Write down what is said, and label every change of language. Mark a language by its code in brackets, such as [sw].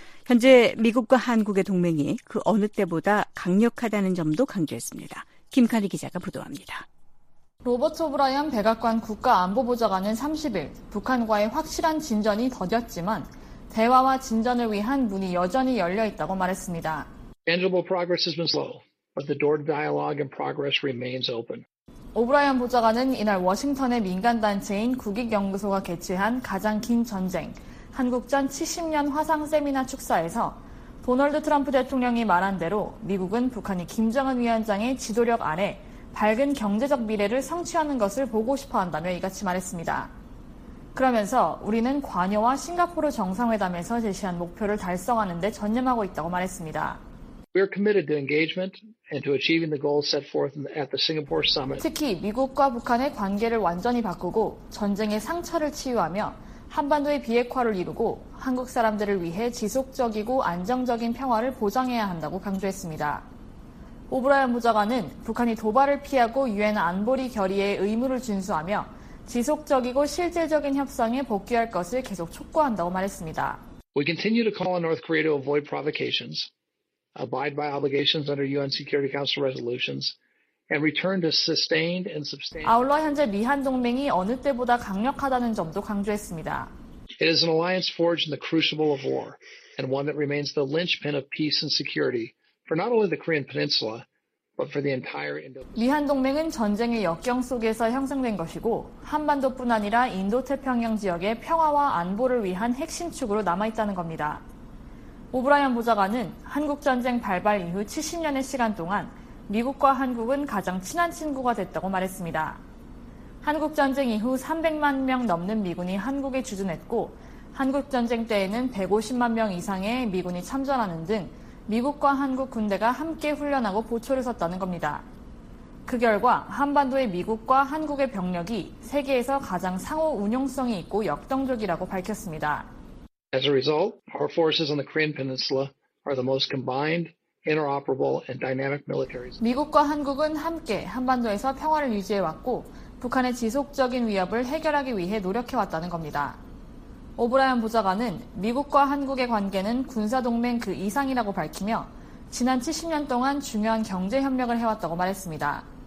[ko] 현재 미국과 한국의 동맹이 그 어느 때보다 강력하다는 점도 강조했습니다. 김카리 기자가 보도합니다. 로버트 오브라이언 백악관 국가안보보좌관은 30일 북한과의 확실한 진전이 더뎠지만 대화와 진전을 위한 문이 여전히 열려있다고 말했습니다. [en] Tangible progress has been slow, but the door to dialogue and progress remains open. [ko] 오브라이언 보좌관은 이날 워싱턴의 민간단체인 국익연구소가 개최한 가장 긴 전쟁, 한국전 70년 화상 세미나 축사에서 도널드 트럼프 대통령이 말한 대로 미국은 북한이 김정은 위원장의 지도력 아래 밝은 경제적 미래를 성취하는 것을 보고 싶어 한다며 이같이 말했습니다. 그러면서 우리는 관여와 싱가포르 정상회담에서 제시한 목표를 달성하는 데 전념하고 있다고 말했습니다. [en] We're committed to engagement and to achieving the goals set forth at the Singapore summit. [ko] 특히 미국과 북한의 관계를 완전히 바꾸고 전쟁의 상처를 치유하며 한반도의 비핵화를 이루고 한국 사람들을 위해 지속적이고 안정적인 평화를 보장해야 한다고 강조했습니다. 오브라이언 보좌관은 북한이 도발을 피하고 유엔 안보리 결의에 의무를 준수하며 지속적이고 실질적인 협상에 복귀할 것을 계속 촉구한다고 말했습니다. [en] We continue to call on North Korea to avoid provocations, abide by obligations under UN Security Council resolutions, and return to sustained and substantial. [ko] 아울러 현재 미한 동맹이 어느 때보다 강력하다는 점도 강조했습니다. [en] It is an alliance forged in the crucible of war, and one that remains the linchpin of peace and security for not only the Korean Peninsula, but for the entire Indo-Pacific. [ko] 미한 동맹은 전쟁의 역경 속에서 형성된 것이고 한반도뿐 아니라 인도태평양 지역의 평화와 안보를 위한 핵심 축으로 남아 있다는 겁니다. 오브라이언 보좌관은 한국전쟁 발발 이후 70년의 시간 동안 미국과 한국은 가장 친한 친구가 됐다고 말했습니다. 한국전쟁 이후 300만 명 넘는 미군이 한국에 주둔했고 한국전쟁 때에는 150만 명 이상의 미군이 참전하는 등 미국과 한국 군대가 함께 훈련하고 보초를 섰다는 겁니다. 그 결과 한반도의 미국과 한국의 병력이 세계에서 가장 상호 운용성이 있고 역동적이라고 밝혔습니다. [en] As a result, our forces on the Korean Peninsula are the most combined, interoperable, and dynamic militaries. [ko] 미국과 한국은 함께 한반도에서 평화를 유지해 왔고 북한의 지속적인 위협을 해결하기 위해 노력해 왔다는 겁니다. 오브라이언 보좌관은 미국과 한국의 관계는 군사 동맹 그 이상이라고 밝히며 지난 70년 동안 중요한 경제 협력을 해왔다고 말했습니다.